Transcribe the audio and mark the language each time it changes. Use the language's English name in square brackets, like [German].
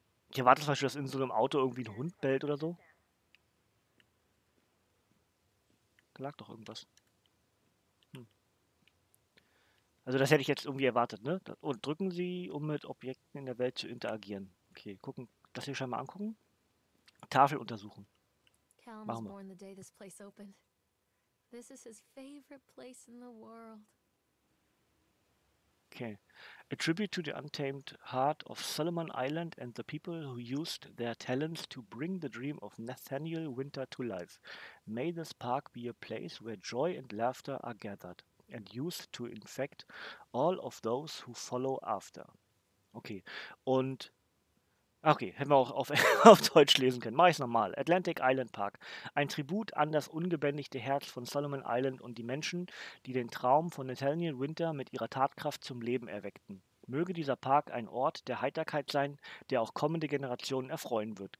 [German] Ich erwarte zum Beispiel, dass in so einem Auto irgendwie ein Hund bellt oder so. Da lag doch irgendwas. Also das hätte ich jetzt irgendwie erwartet, ne? Und drücken Sie, um mit Objekten in der Welt zu interagieren. Okay, gucken, das hier scheinbal angucken. Tafel untersuchen. [English] Calum was [German] Machen wir. [English] born the day this place opened. This is his favorite place in the world. Okay. A tribute to the untamed heart of Solomon Island and the people who used their talents to bring the dream of Nathaniel Winter to life. May this park be a place where joy and laughter are gathered. And used to infect all of those who follow after. [German] Okay, und. Okay, hätten wir auch auf Deutsch lesen können. Mach ich's nochmal. Atlantic Island Park. Ein Tribut an das ungebändigte Herz von Solomon Island und die Menschen, die den Traum von Nathaniel Winter mit ihrer Tatkraft zum Leben erweckten. Möge dieser Park ein Ort der Heiterkeit sein, der auch kommende Generationen erfreuen wird.